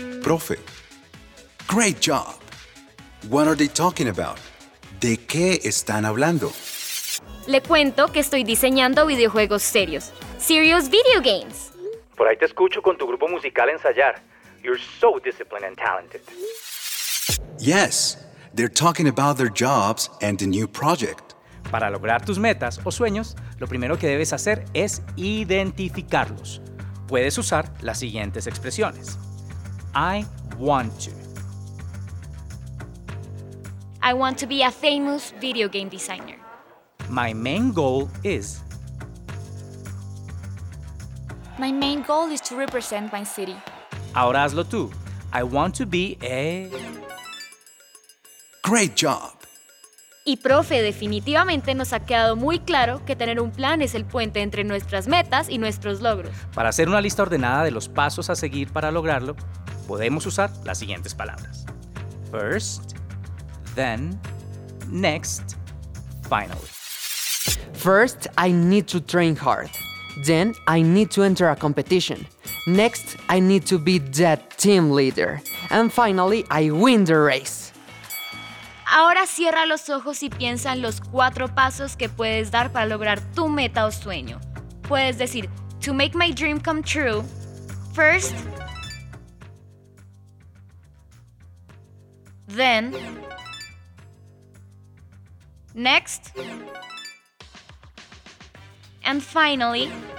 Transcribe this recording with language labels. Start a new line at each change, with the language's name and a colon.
English: Profe. Great job. What are they talking about?
Spanish: ¿De qué están hablando? Le cuento que estoy diseñando videojuegos serios.
English: Serious video games.
Spanish: Por ahí te escucho con tu grupo musical ensayar.
English: You're so disciplined and talented. Yes, they're talking about their jobs and the new project.
Spanish: Para lograr tus metas o sueños, lo primero que debes hacer es identificarlos. Puedes usar las siguientes expresiones.
English: I want to. I want to be a famous video game designer. My main goal is... My main goal is to represent my city.
Spanish: Ahora hazlo tú.
English: I want to be a... Great job.
Spanish: Y profe, definitivamente nos ha quedado muy claro que tener un plan es el puente entre nuestras metas y nuestros logros. Para hacer una lista ordenada de los pasos a seguir para lograrlo, podemos usar las siguientes palabras.
English: First, then, next, finally. First, I need to train hard. Then, I need to enter a competition. Next, I need to be the team leader. And finally, I win the race.
Spanish: Ahora cierra los ojos y piensa en los 4 pasos que puedes dar para lograr tu meta o sueño. Puedes decir,
English: to make my dream come true, first, then, next, and finally.